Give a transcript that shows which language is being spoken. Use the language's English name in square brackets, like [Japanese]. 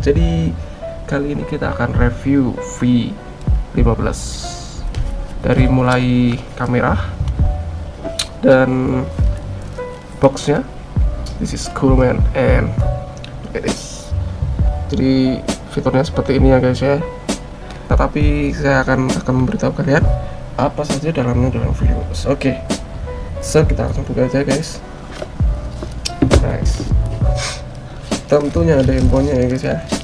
[Indonesian] Jadi kali ini kita akan review V15 dari mulai kamera dan boxnya. [English] This is cool man, and it is. [Indonesian] Jadi fiturnya seperti ini ya guys ya. Tetapi saya akan memberitahu kalian apa saja dalamnya dalam video. [English] Okay, so [Indonesian] kita langsung buka aja guys. Nice. Tentunya ada handphonenya ya guys ya.